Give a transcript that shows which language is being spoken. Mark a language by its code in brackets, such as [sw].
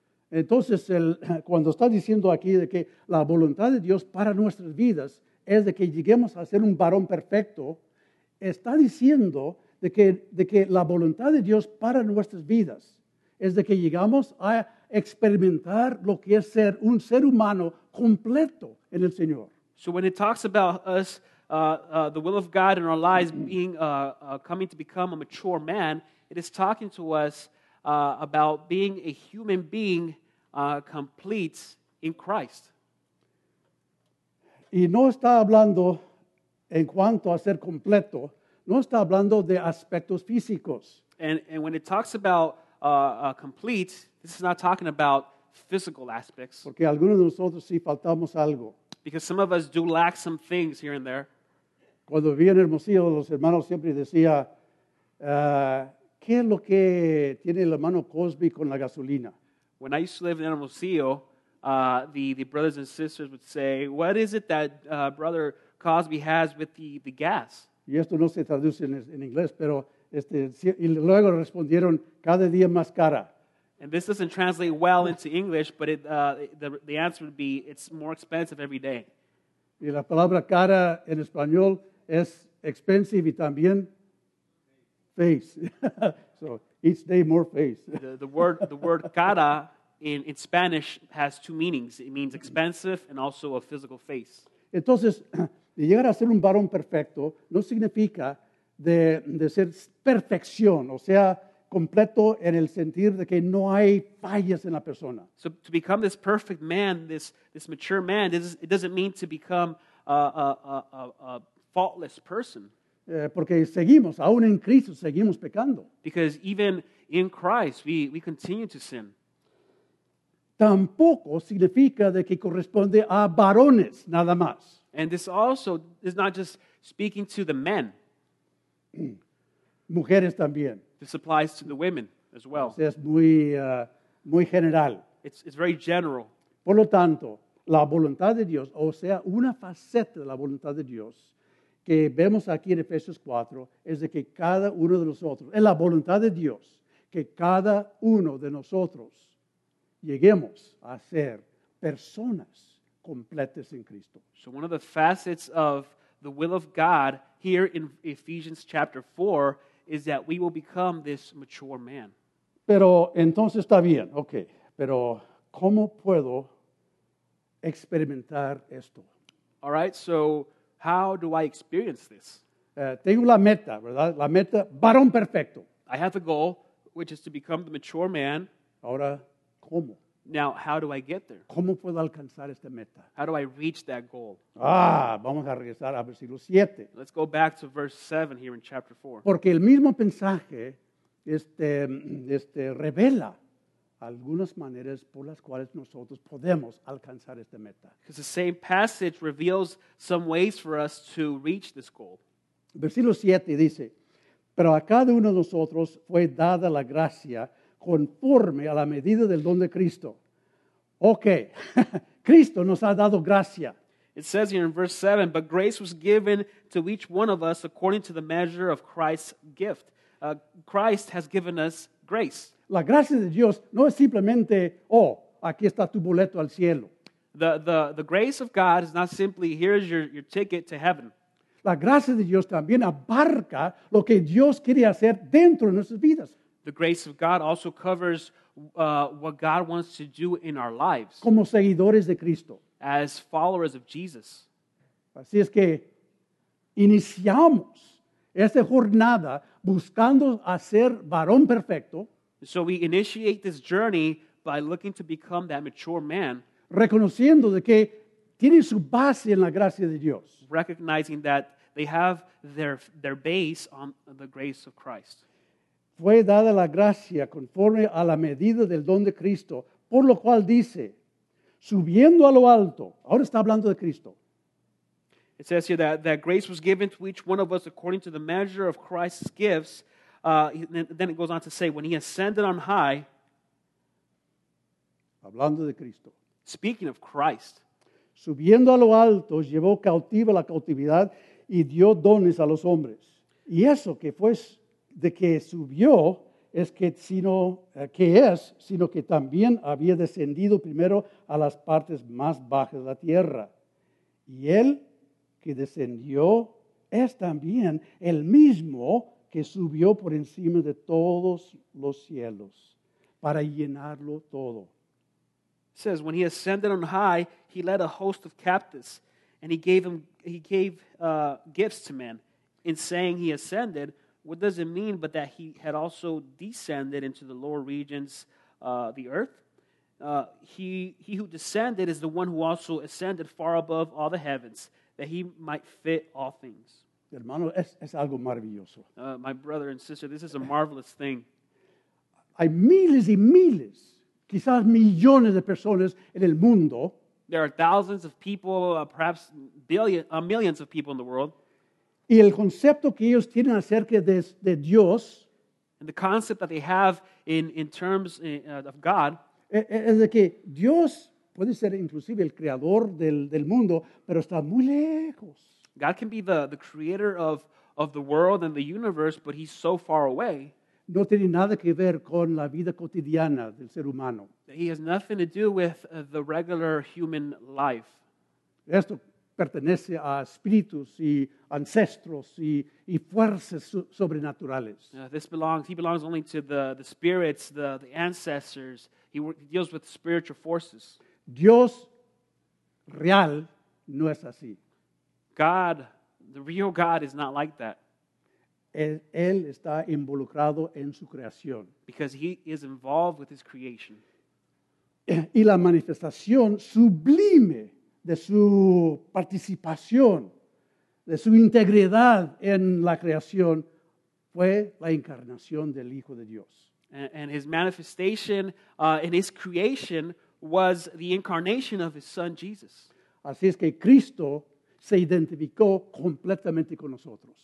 [es] Entonces, cuando está diciendo aquí de que la voluntad de Dios para nuestras vidas es de que lleguemos a ser un varón perfecto, está diciendo de que la voluntad de Dios para nuestras vidas es de que llegamos a experimentar lo que es ser un ser humano completo en el Señor. [en] So when it talks about us, the will of God in our lives being coming to become a mature man, it is talking to us about being a human being complete in Christ. [es] Y no está hablando en cuanto a ser completo, no está hablando de aspectos físicos. [en] And when it talks about complete, this is not talking about physical aspects. [es] Porque algunos de nosotros sí faltamos algo. [en] Because some of us do lack some things here and there. [es] Cuando vivía en Hermosillo, los hermanos siempre decía, ¿qué es lo que tiene el hermano Cosby con la gasolina? [en] When I used to live in Hermosillo, the brothers and sisters would say, what is it that brother Cosby has with the gas? [es] Y esto no se traduce en inglés, pero y luego respondieron, cada día más cara. [en] And this doesn't translate well into English, but the answer would be, it's more expensive every day. [es] Y la palabra cara en español es expensive y también face. [en] So each day more face. The word cara in Spanish has two meanings. It means expensive and also a physical face. [es] Entonces, llegar a ser un varón perfecto no significa de ser perfección, o sea, completo en el sentir de que no hay fallas en la persona. [en] So to become this perfect man, this mature man, it doesn't mean to become a faultless person. [es] Porque seguimos, aún en Cristo, seguimos pecando. [en] Because even in Christ, we continue to sin. [es] Tampoco significa de que corresponde a varones, nada más. [en] And this also is not just speaking to the men. [es] Mujeres también. [en] This applies to the women as well. [es] Es muy, muy general. [en] It's very general. [es] Por lo tanto, la voluntad de Dios, o sea, una faceta de la voluntad de Dios que vemos aquí en Efesios 4, es de que cada uno de nosotros, es la voluntad de Dios, que cada uno de nosotros lleguemos a ser personas completas en Cristo. [en] So one of the facets of the will of God here in Ephesians chapter 4 is that we will become this mature man. [es] Pero entonces está bien, okay. Pero ¿cómo puedo experimentar esto? [en] All right, so how do I experience this? [es] Tengo la meta, ¿verdad? La meta, varón perfecto. [en] I have a goal, which is to become the mature man. [es] Ahora, ¿cómo? [en] Now, how do I get there? [es] ¿Cómo puedo alcanzar esta meta? [en] How do I reach that goal? [es] Ah, vamos a regresar a versículo 7. [en] Let's go back to verse 7 here in chapter 4. [es] Porque el mismo mensaje revela algunas maneras por las cuales nosotros podemos alcanzar esta meta. [en] Because the same passage reveals some ways for us to reach this goal. [es] Versículo 7 dice, pero a cada uno de nosotros fue dada la gracia conforme a la medida del don de Cristo. Okay, Cristo nos ha dado gracia. [en] It says here in verse 7, but grace was given to each one of us according to the measure of Christ's gift. Christ has given us grace. [es] La gracia de Dios no es simplemente, oh, aquí está tu boleto al cielo. [en] The grace of God is not simply here's your ticket to heaven. [es] La gracia de Dios también abarca lo que Dios quiere hacer dentro de nuestras vidas. [en] The grace of God also covers what God wants to do in our lives. [es] Como seguidores de Cristo. [en] As followers of Jesus. [es] Así es que iniciamos esta jornada buscando hacer varón perfecto. [en] So we initiate this journey by looking to become that mature man. [es] Reconociendo de que tiene su base en la gracia de Dios. [en] Recognizing that they have their base on the grace of Christ. [es] Fue dada la gracia conforme a la medida del don de Cristo, por lo cual dice, subiendo a lo alto. Ahora está hablando de Cristo. [en] It says here that grace was given to each one of us according to the measure of Christ's gifts. Then it goes on to say, when he ascended on high. [es] Hablando de Cristo. [en] Speaking of Christ. [es] Subiendo a lo alto, llevó cautiva la cautividad y dio dones a los hombres. Y eso que fue de que subió es que sino que también había descendido primero a las partes más bajas de la tierra. Y él que descendió es también el mismo que subió por encima de todos los cielos para llenarlo todo. [en] It says, when he ascended on high, he led a host of captives, and he gave gifts to men. In saying he ascended, what does it mean but that he had also descended into the lower regions, the earth? He who descended is the one who also ascended far above all the heavens, that he might fit all things. [es] Hermano, es algo maravilloso. [en] My brother and sister, this is a marvelous thing. [es] Hay miles y miles. Quizás millones de personas en el mundo. [en] There are thousands of people, perhaps millions of people in the world. [es] Y el concepto que ellos tienen acerca de Dios. [en] And the concept that they have in terms of God. [es] Es de que Dios puede ser inclusive el creador del mundo, pero está muy lejos. [en] God can be the creator of the world and the universe, but he's so far away. [es] No tiene nada que ver con la vida cotidiana del ser humano. [en] He has nothing to do with the regular human life. [es] Esto pertenece a espíritus y ancestros y fuerzas sobrenaturales. [en] He belongs only to the spirits, the ancestors. He deals with spiritual forces. [es] Dios real no es así. [en] God, the real God is not like that. [es] Él está involucrado en su creación. [en] Because he is involved with his creation. [es] Y la manifestación sublime de su participación, de su integridad en la creación, fue la encarnación del Hijo de Dios. [en] And his manifestation in his creation was the incarnation of his Son Jesus. [es] Así es que Cristo se identificó completamente con nosotros.